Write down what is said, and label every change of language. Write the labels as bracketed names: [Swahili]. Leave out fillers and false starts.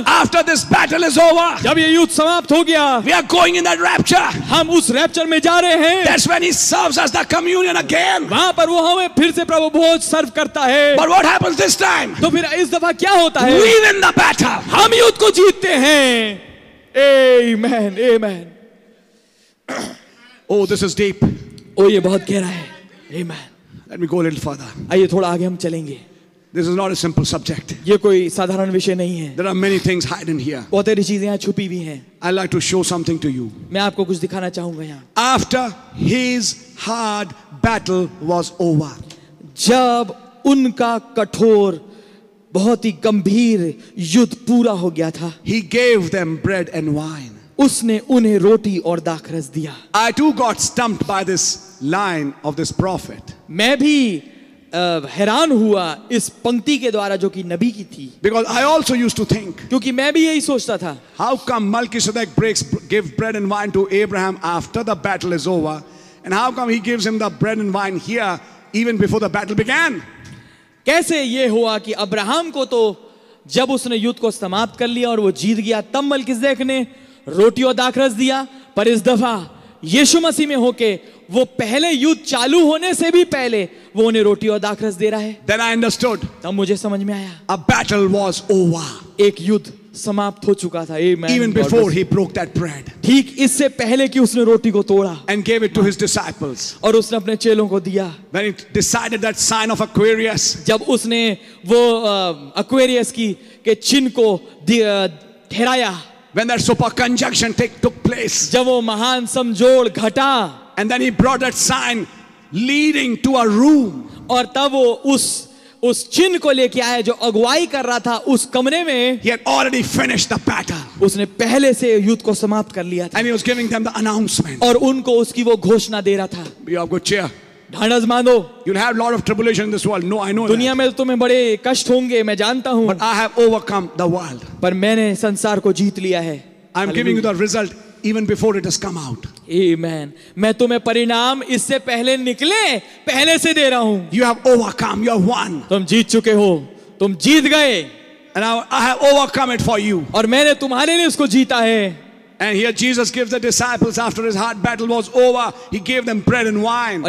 [English] After this battle is over. [Hindi] जब ये समाप्त हो गया। [English] We are going in that rapture. [Hindi] हम उस रैप्चर में जा रहे हैं। [English] That's when he serves us the communion again. [Hindi] वहाँ पर वो हमें फिर से प्रभु भोज सर्व करता है। [English] But what happens this time? [Hindi] तो फिर इस दफा क्या होता है? [English] We win the battle. [Hindi] हम युद्ध को जीतते हैं। Amen, amen. [English] Oh, this is deep. [Hindi] Oh, ये बहुत गहरा है। [English] Amen. Let me go a little further. [Hindi] आइए थोड़ा आगे हम चलेंगे। [English] This is not a simple subject. [Hindi] ये कोई साधारण विषय नहीं है। [English] There are many things hidden here. [Hindi] बहुत सारी चीजें यहाँ छुपी हुई हैं। [English] I'd like to show something to you. [Hindi] मैं आपको कुछ दिखाना चाहूँगा यहाँ। [English] After his hard battle was over. [Hindi] जब उनका कठोर, बहुत ही गंभीर युद्ध पूरा हो गया था। [English] He gave them bread and wine. [Hindi] उसने उन्हें रोटी और दाखरस दिया। [English] I too got stumped by this line of this prophet. [Hindi] मैं भी हैरान हुआ इस पंक्ति के द्वारा जो कि नबी की थी। [English] Because I also used to think, [Hindi] क्योंकि मैं भी यही सोचता था। [English] How come Melchizedek breaks give bread and wine to Abraham after the battle is over, and how come he gives him the bread and wine here even before the battle began? [Hindi] कैसे ये हुआ कि Abraham को तो जब उसने युद्ध को समाप्त कर लिया और वो जीत गया, तब मलकिसदेक ने रोटी और दाखरस दिया, पर इस दफा यीशु मसीह में होके वो पहले युद्ध चालू होने से भी पहले वो उन्हें रोटी और दाखरस दे रहा है। [English] Then I understood. [Hindi] तब मुझे समझ में आया। [English] A battle was over. [Hindi] एक युद्ध समाप्त हो चुका था. [English] Amen. Even before he broke that bread. [Hindi] ठीक इससे पहले कि उसने रोटी को तोड़ा. [English] And gave it to his disciples. [Hindi] और उसने अपने चेलों को दिया. [English] When he decided that sign of Aquarius. [Hindi] जब उसने वो Aquarius की के चिन्ह को ठहराया. [English] When that super conjunction took place. [Hindi] जब वो महान समझोड़ घटा. [English] And then he brought that sign leading to a room. [Hindi] और तब वो उस चिन्ह को लेके आया जो अगुवाई कर रहा था उस कमरे में. [English] He had already finished the battle. [Hindi] उसने पहले से युद्ध को समाप्त कर लिया था. [English] And he was giving them the announcement. [Hindi] और उनको उसकी वो घोषणा दे रहा था. [English] You have good cheer. [Hindi] ढांढस बांधो. [English] You'll have a lot of tribulation in this world. No, I know. [Hindi] दुनिया में तुम्हें बड़े कष्ट होंगे, मैं जानता हूँ. [English] But I have overcome the world. [Hindi] पर मैंने संसार को जीत लिया है. [English] I'm giving you the result even before it has come out. Amen. [Hindi] मैं तुम्हें परिणाम इससे पहले निकले पहले से दे रहा हूँ. [English] You have overcome. You have won. [Hindi] तुम जीत चुके हो. तुम जीत गए. [English] And I have overcome it for you. [Hindi] और मैंने तुम्हारे लिए उसको जीता है. [English] And here Jesus gives the disciples after his heart battle was over, he gave them bread and wine.